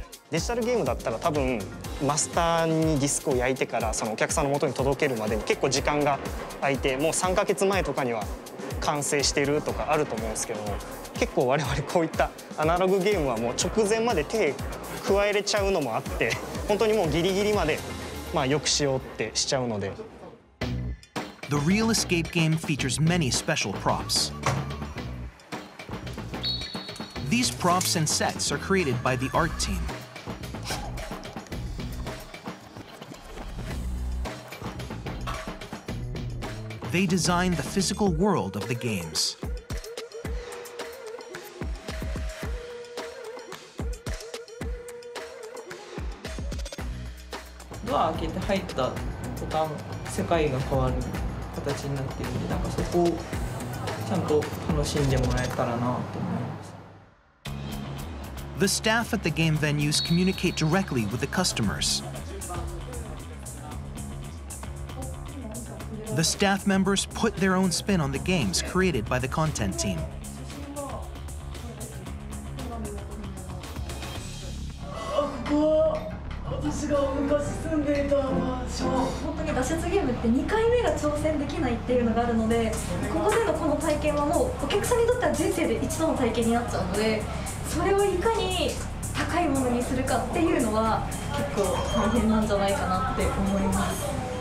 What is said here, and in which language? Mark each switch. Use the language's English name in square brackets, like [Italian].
[Japanese] Digital game だったら多分マスターにディスクを焼いてからそのお客さんの元に届けるまでに結構時間が空いて、もう3ヶ月前とかには 完成しているとかあると思うんですけど、結構我々こういったアナログゲームはもう直前まで手加えれちゃうのもあって、本当にもうギリギリまで、まあ良くしようってしちゃうので。 [English] The real escape game features many special props. These props and sets are created by the art team. They design the physical world of the games. [Japanese] 開けて入った途端世界が変わる形になっているので、なんかそこをちゃんと楽しんでもらえたらなと思います。 [English] The staff at the game venues communicate directly with the customers. The staff members put their own spin on the games created by the content team. [Japanese] ここは私が昔住んでいた場所。本当に脱出ゲームって2回目が挑戦できないっていうのがあるので、ここでのこの体験はもうお客さんにとっては人生で一度の体験になっちゃうので、それをいかに高いものにするかっていうのは結構大変なんじゃないかなって思います。